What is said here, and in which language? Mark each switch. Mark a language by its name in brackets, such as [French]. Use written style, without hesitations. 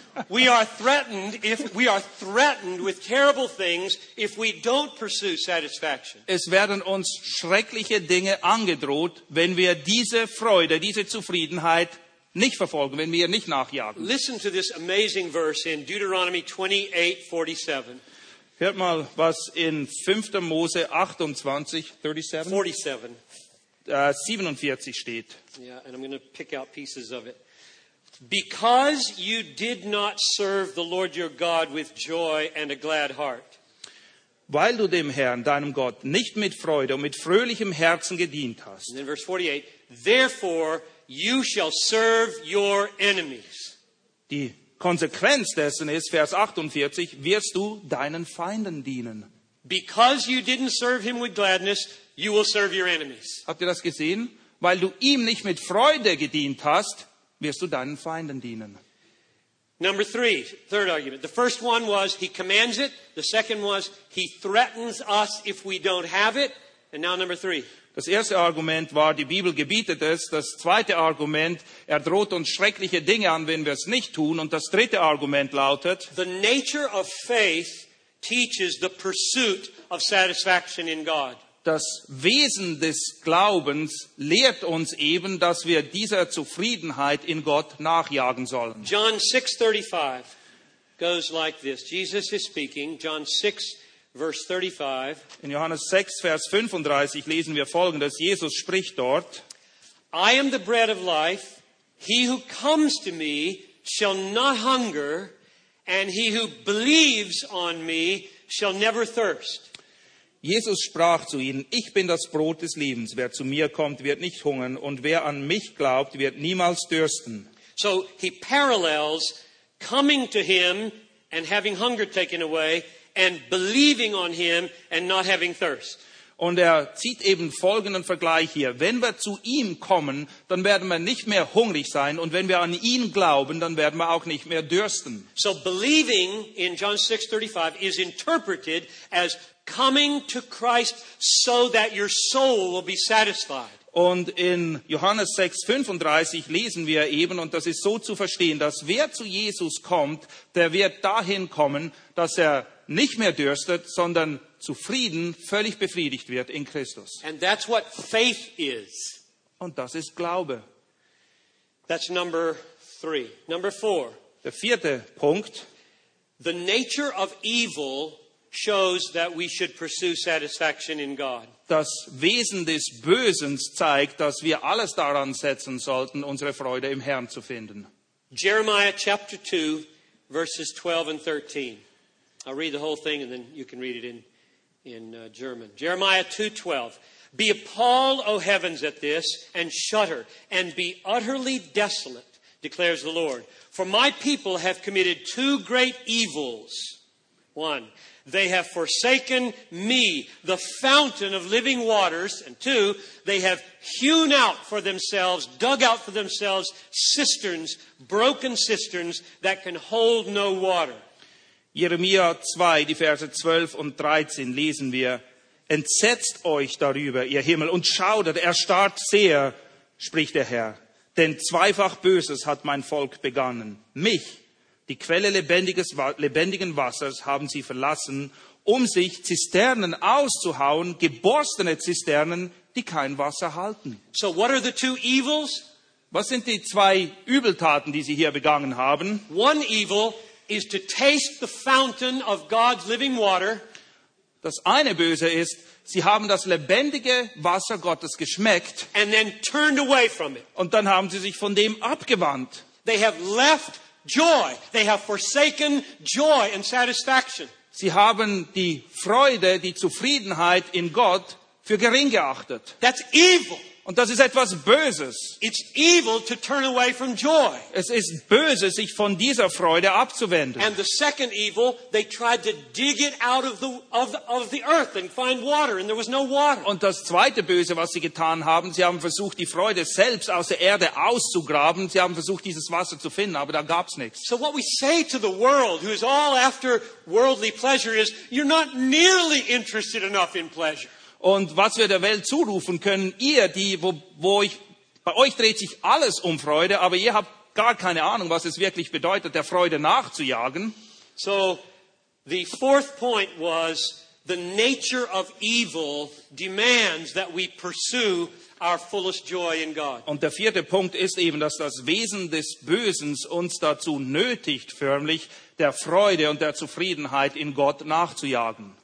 [English] we are threatened with terrible things if we don't pursue satisfaction. [German] Es werden uns schreckliche Dinge angedroht, wenn wir diese Freude, diese Zufriedenheit nicht verfolgen, wenn wir nicht nachjagen. [English] Listen to this amazing verse in Deuteronomy 28:47. [German] Hört mal, was in 5. Mose 28, 37? 47. 47 steht. [English] Yeah, and I'm going to pick out pieces of it. Because you did not serve the Lord your God with joy and a glad heart. [German] Weil du dem Herrn, deinem Gott, nicht mit Freude und mit fröhlichem Herzen gedient hast. [English] And then verse 48. Therefore you shall serve your enemies. [German] Die Konsequenz dessen ist, Vers 48, wirst du deinen Feinden dienen. [English] Because you didn't serve him with gladness, you will serve your enemies. [German] Habt ihr das gesehen? Weil du ihm nicht mit Freude gedient hast, wirst du deinen Feinden dienen. [English] Number three, third argument. The first one was he commands it. The second was he threatens us if we don't have it. And now number three. [German] Das erste Argument war, die Bibel gebietet es. Das zweite Argument, er droht uns schreckliche Dinge an, wenn wir es nicht tun. Und das dritte Argument lautet, [English] the nature of faith teaches the pursuit of satisfaction in God. [German] Das Wesen des Glaubens lehrt uns eben, dass wir dieser Zufriedenheit in Gott nachjagen sollen. [English] John 6:35 goes like this. Jesus is speaking, John 6 verse 35. [German] In Johannes 6 Vers 35 lesen wir folgendes. Jesus spricht dort: [English] I am the bread of life. He who comes to me shall not hunger, and he who believes on me shall never thirst. [German] Jesus sprach zu ihnen, ich bin das Brot des Lebens. Wer zu mir kommt, wird nicht hungern. Und wer an mich glaubt, wird niemals dürsten. [English] So he parallels coming to him and having hunger taken away and believing on him and not having thirst. [German] Und er zieht eben folgenden Vergleich hier. Wenn wir zu ihm kommen, dann werden wir nicht mehr hungrig sein. Und wenn wir an ihn glauben, dann werden wir auch nicht mehr dürsten. [English] So believing in John 6:35 is interpreted as coming to Christ so that your soul will be satisfied. [German] Und in Johannes 6:35 lesen wir eben, und das ist so zu verstehen, dass wer zu Jesus kommt, der wird dahin kommen, dass er nicht mehr dürstet, sondern zufrieden, völlig befriedigt wird in Christus. [English] And that's what faith is. [German] Und das ist Glaube. [English] That's number three. Number four. [German] Der vierte Punkt. [English] The nature of evil shows that we should pursue satisfaction in God. [German] Das Wesen des Bösen zeigt, dass wir alles daran setzen sollten, unsere Freude im Herrn zu finden. [English] Jeremiah chapter 2, verses 12 and 13. I'll read the whole thing and then you can read it in German. Jeremiah 2:12. Be appalled, O heavens, at this, and shudder, and be utterly desolate, declares the Lord. For my people have committed two great evils. One, they have forsaken me, the fountain of living waters. And two, they have hewn out for themselves, dug out for themselves, cisterns, broken cisterns that can hold no water. [German] Jeremia 2, die Verse 12 und 13 lesen wir. Entsetzt euch darüber, ihr Himmel, und schaudert, erstarrt sehr, spricht der Herr. Denn zweifach Böses hat mein Volk begangen, mich. Die Quelle lebendigen Wassers haben sie verlassen, um sich Zisternen auszuhauen, geborstene Zisternen, die kein Wasser halten. [English] So what are the two evils? [German] Was sind die zwei Übeltaten, die sie hier begangen haben? [English] One evil is to taste the fountain of God's living water. [German] Das eine Böse ist, sie haben das lebendige Wasser Gottes geschmeckt. [English] And then turned away from it. [German] Und dann haben sie sich von dem abgewandt. [English] They have left joy. They have forsaken joy and satisfaction. [German] Sie haben die Freude, die Zufriedenheit in Gott für gering geachtet. [English] That's evil. [German] Und das ist etwas Böses. [English] It's evil to turn away from joy. [German] Es ist böse, sich von dieser Freude abzuwenden. [English] And the second evil, they tried to dig it out of the earth and find water, and there was no water. [German] Und das zweite Böse, was sie getan haben, sie haben versucht, die Freude selbst aus der Erde auszugraben. Sie haben versucht, dieses Wasser zu finden, aber da gab's nichts. [English] So what we say to the world, who is all after worldly pleasure, is you're not nearly interested enough in pleasure. [German] Und was wir der Welt zurufen können, ihr, bei euch dreht sich alles um Freude, aber ihr habt gar keine Ahnung, was es wirklich bedeutet, der Freude nachzujagen. [English] So, the fourth point was, the nature of evil demands that we pursue our fullest joy in God. [German] Und der vierte Punkt ist eben, dass das Wesen des Bösen uns dazu nötigt, förmlich der Freude und der Zufriedenheit in Gott nachzujagen.